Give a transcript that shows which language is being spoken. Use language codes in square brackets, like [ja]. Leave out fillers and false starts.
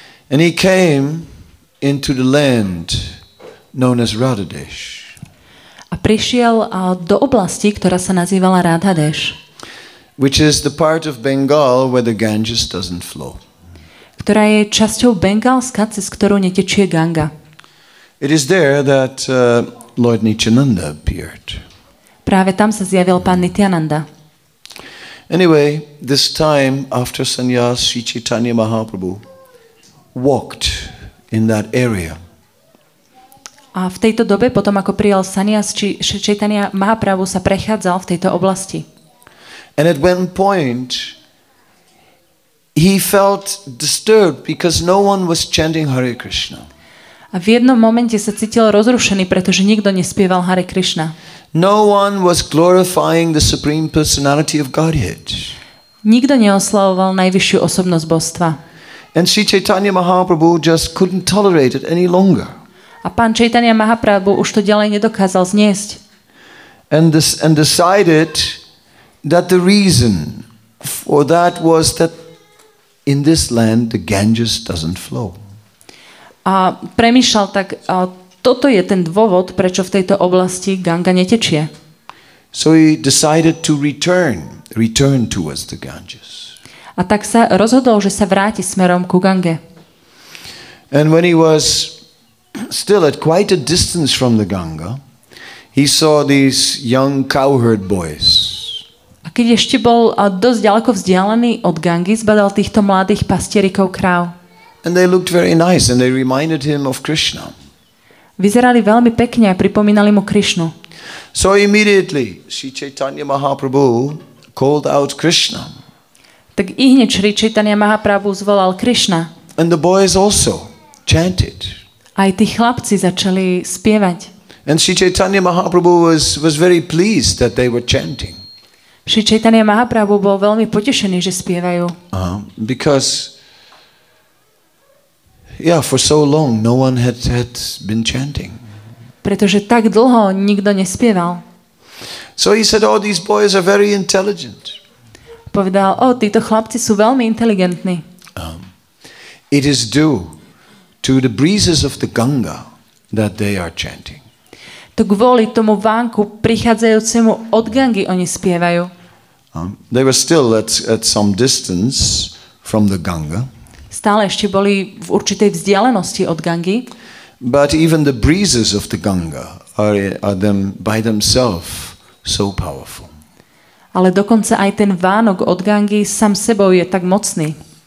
[en] And he came into the land known as Radhadesh. [sk] A prišiel do oblasti, ktorá sa nazývala Radhadesh. [en] Which is the part of Bengal where the Ganges doesn't flow. [sk] Ktorá je časťou Bengálska, cez ktorú netečie Ganga. [en] It is there that Lord Nityananda appeared. [sk] Práve tam sa zjavil pán Nityananda. [en] Anyway, this time after sannyas, Sri Chaitanya Mahaprabhu walked in that area. [sk] A v tejto dobe, potom ako prijal sannyas, Sri Chaitanya Mahaprabhu sa prechádzal v tejto oblasti. [en] And at one point he felt disturbed because no one was chanting Hare Krishna. [sk] A v jednom momente sa cítil rozrušený, pretože nikto nespieval Hare Krishna. [en] No one was glorifying the supreme personality of Godhead. [sk] Nikto neoslavoval najvyššiu osobnosť božstva. [en] And Sri Chaitanya Mahaprabhu just couldn't tolerate it any longer. [sk] A pán Chaitanya Mahaprabhu už to ďalej nedokázal zniesť. [en] And decided that the reason for that was that in this land the Ganges doesn't flow. [sk] A premýšľal tak, a toto je ten dôvod, prečo v tejto oblasti Ganga netečie. [en] So he decided to return towards the Ganges. [sk] A tak sa rozhodol, že sa vráti smerom ku Gange. [en] And when he was still at quite a distance from the Ganga, he saw these young cowherd boys. [sk] A keď ešte bol dosť ďaleko vzdialený od Gangy, zbadal týchto mladých pastierikov kráv. [en] And they looked very nice and they reminded him of Krishna. [sk] Vyzerali veľmi pekne a pripomínali mu Krishnu. [en] So immediately Sri Chaitanya Mahaprabhu called out Krishna. [sk] Tak ihneď Sri Chaitanya Mahaprabhu zvolal Krishna. [en] And the boys also chanted. [sk] Aj tí chlapci začali spievať. [en] And Sri Chaitanya Mahaprabhu was very pleased that they were chanting. [sk] Sri Chaitanya Mahaprabhu bol veľmi potešený, že spievajú. [en] Because for so long no one had been chanting. [sk] Pretože tak dlho nikto nespieval. [en] So he said, "Oh, these boys are very intelligent." [sk] Povedal, títo chlapci sú veľmi inteligentní. [en] It is due to the breezes of the Ganga that they are chanting. [sk] To kvôli tomu vánku prichádzajúcemu od Gangy oni spievajú. [en] They were still at some distance from the Ganga. [sk] Stále ešte boli v určitej vzdialenosti od Gangy. [en] But even the breezes of the Ganga are them by themselves so powerful. [sk] Ale dokonca aj ten vánok od Gangy sám sebou je tak mocný.